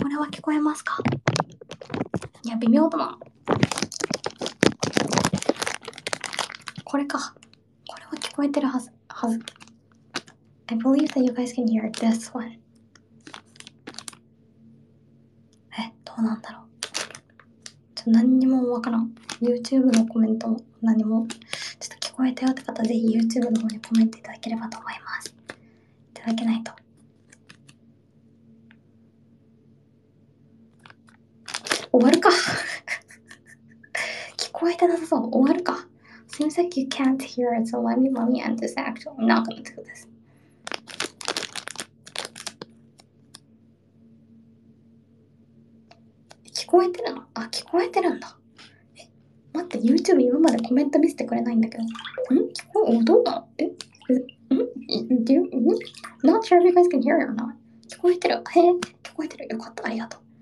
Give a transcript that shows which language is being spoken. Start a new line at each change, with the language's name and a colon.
Japanese: 聞こえますか？いや、微妙だな。これか。これは聞こえてるはず。はず。
English: I believe that you guys can hear this one.
Japanese: え、どうなんだろう。ちょ、何にもわからん。 YouTube のコメントも何も。ちょっと聞こえたよって方、ぜひ YouTube の方にコメントいただければと思います。いただけないと。終わるか。聞こえてなさそう。終わるか。
English: Seems like you can't hear it, so let me end this actually. I'm not gonna do this.
Japanese: あ、聞こえてるんだ。え、待って、YouTube 今までコメント見せてくれないんだけど。ん？聞こえ、音が。え？ん？
English: Do you? Not sure if you guys can hear it or not.
Japanese: 聞こえてる。へえ、聞こえてる。よかった。ありがとう。